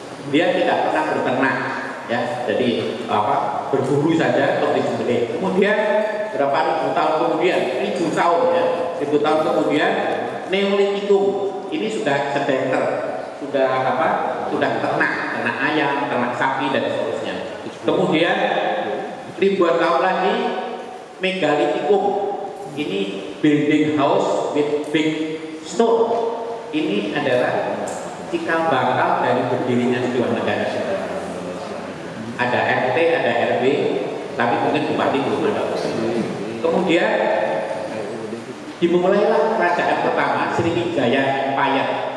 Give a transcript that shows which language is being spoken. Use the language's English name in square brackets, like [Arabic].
[Indonesian] Dia tidak pernah berternak, ya. Jadi apa, berburu saja untuk disembelih. Kemudian berapa ribu tahun kemudian, ribu tahun ya, ribu tahun kemudian Neolitikum ini sudah sedentar, sudah apa, sudah ternak, ternak ayam, ternak sapi dan seterusnya. Kemudian ribuan tahun lagi Megalitikum. Ini [English] building house with big stone. [Indonesian] Ini adalah cikal bakal dari berdirinya sebuah negara. Ada RT, ada RW, tapi mungkin bupati belum ada. Kemudian dimulailah kerajaan pertama Sriwijaya Empire.